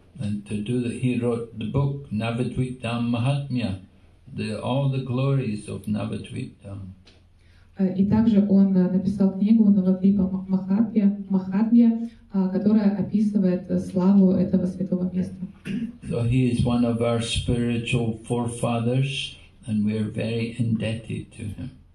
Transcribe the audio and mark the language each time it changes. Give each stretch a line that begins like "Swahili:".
English: And to do that, he wrote the book Navadvipa Mahatmya, all the glories of Navadvipa.
Russian: И также он написал книгу «Навадвипа Махатмья», которая описывает славу этого святого места.
English: So he is one of our spiritual forefathers, and we are very indebted to him.